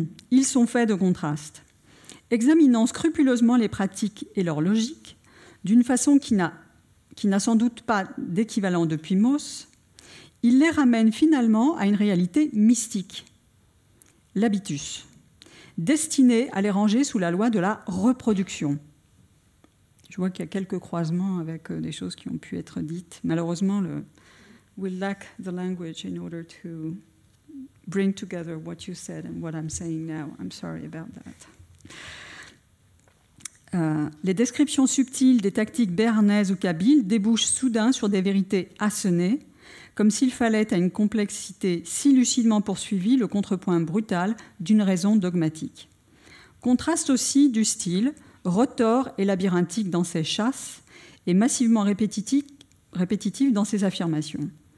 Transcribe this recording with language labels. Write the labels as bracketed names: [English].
[French] Ils sont faits de contrastes. Examinant scrupuleusement les pratiques et leur logique, d'une façon qui n'a sans doute pas d'équivalent depuis Mauss, il les ramène finalement à une réalité mystique, l'habitus, destiné à les ranger sous la loi de la reproduction. Je vois qu'il y a quelques croisements avec des choses qui ont pu être dites. Malheureusement, [English] we lack the language in order to bring together what you said and what I'm saying now. I'm sorry about that. [French] Les descriptions subtiles des tactiques béarnaises ou kabyles débouchent soudain sur des vérités assenées, comme s'il fallait à une complexité si lucidement poursuivie le contrepoint brutal d'une raison dogmatique. Contraste aussi du style retors et labyrinthique dans ses chasses et massivement répétitif dans ses affirmations.